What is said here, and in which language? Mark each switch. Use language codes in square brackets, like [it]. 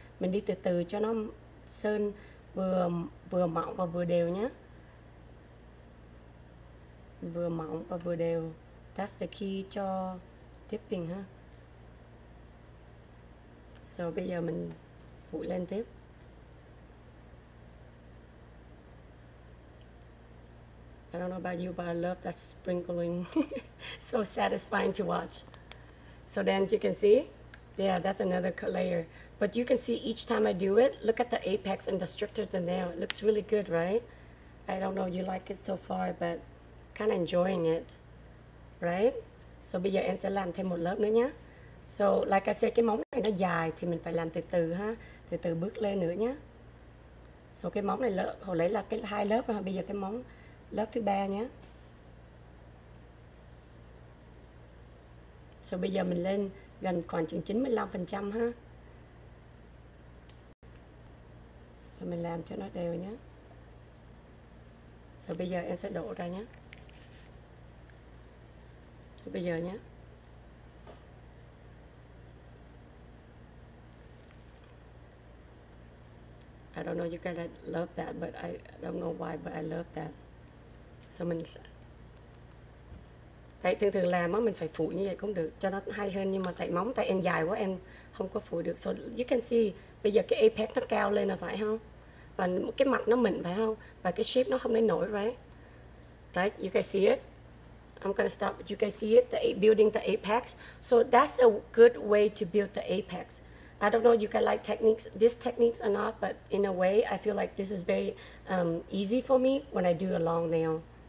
[vi] Mình đi từ từ cho nó sơn vừa mỏng và vừa đều nhé. Vừa mỏng và vừa đều. [en] That's the key [vi] cho dipping ha. Rồi bây giờ mình phủ lên tiếp. [en] I don't know about you, but I love that sprinkling. So satisfying to watch. So then you can see, yeah, that's another layer. But you can see each time I do it, look at the apex and the structure of the nail. It looks really good, right? I don't know if you like it so far, but kind of enjoying it, right? [vi] So bây giờ em sẽ làm thêm một lớp nữa nhé. [en] So like I said, [vi] cái móng này nó dài thì mình phải làm từ từ ha, từ từ bước lên nữa nhé. So cái móng này lớp hồi nãy là cái hai lớp rồi, bây giờ cái móng lớp thứ ba nhé. So bây giờ mình lên gần khoảng chừng 95% ha. So mình làm cho nó đều nhé. So bây giờ em sẽ đổ ra nhé. So bây giờ nhé. [en] I don't know you guys love that, but I don't know why, but I love that. [vi] So mình tại thường thường làm á mình phải phủ như vậy cũng được cho nó hay hơn, nhưng mà tại móng tại em dài quá em không có phủ được. [en] So you can see [vi] bây giờ cái apex nó cao lên là phải không, và cái mặt nó mịn phải không, và cái shape nó không lấy nổi, right? [en] Right, you guys see it, I'm gonna stop, but you guys see it, the building the apex. So that's a good way to build the apex. I don't know if you guys like techniques, this techniques or not, but in a way, I feel like this is very easy for me when I do a long nail.